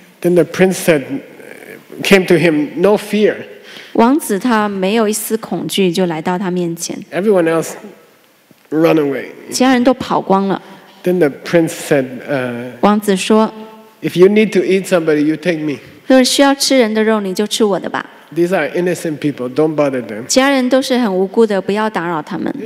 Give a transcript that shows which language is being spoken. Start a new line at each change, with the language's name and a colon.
English: Then the prince said, came to him, no fear.
Chinese: 王子他没有一丝恐惧就来到他面前。
English: Everyone else run away.
Chinese: 其他人都跑光了。
English: Then the prince said,
Chinese: 王子说,
English: if you need to eat somebody, you take me.
Chinese: 若需要吃人的肉，你就吃我的吧。
English: These are innocent people, don't bother them.
Chinese: 其他人都是很无辜的, 不要打扰他们。